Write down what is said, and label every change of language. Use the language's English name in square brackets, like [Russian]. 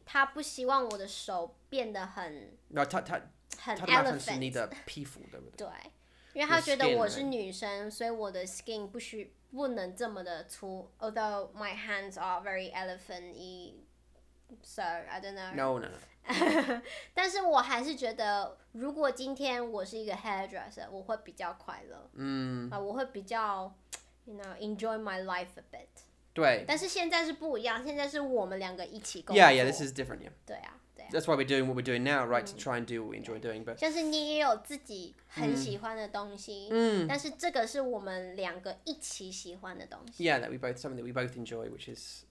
[Chinese] 他不希望我的手变得很 no, 他的麻烦是你的皮肤，对不对？对，因为他觉得我是女生，所以我的 skin 不能这么的粗。 [English] Although my hands are very elephant-y, so I don't know. No. [Chinese] 但是我还是觉得。如果今天我是一个 hairdresser, 我会比较快乐。我会比较 [English] you know, enjoy my life a bit. [Chinese] 对。但是现在是不一样，现在是我们两个一起工作。 [English] Yeah, this is different, yeah. [Chinese] 对啊，对啊。 [English] That's why we're doing what we're doing now, right, to try and do what we enjoy doing, but... [Chinese] 像是你也有自己很喜欢的东西，但是这个是我们两个一起喜欢的东西。 [English] Yeah, that we both, something that we both enjoy, which is